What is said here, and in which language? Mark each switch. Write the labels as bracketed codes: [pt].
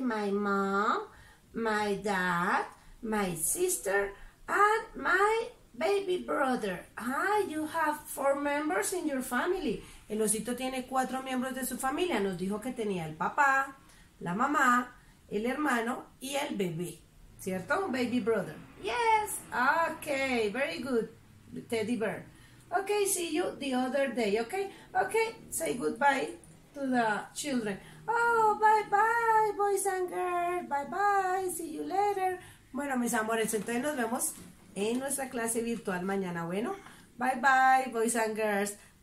[en] My mom, my dad, my sister, and my baby brother. Ah, you have 4 members in your family. [es] El osito tiene 4 miembros de su familia. Nos dijo que tenía el papá, la mamá, el hermano y el bebé. ¿Cierto? Un [en] baby brother. Yes. Okay, very good, teddy bear. Okay, see you the other day, okay? Okay, say goodbye to the children. Oh, bye-bye, boys and girls. Bye-bye, see you later. [es] Bueno, mis amores, entonces nos vemos en nuestra clase virtual mañana. Bueno, [en] bye-bye, boys and girls.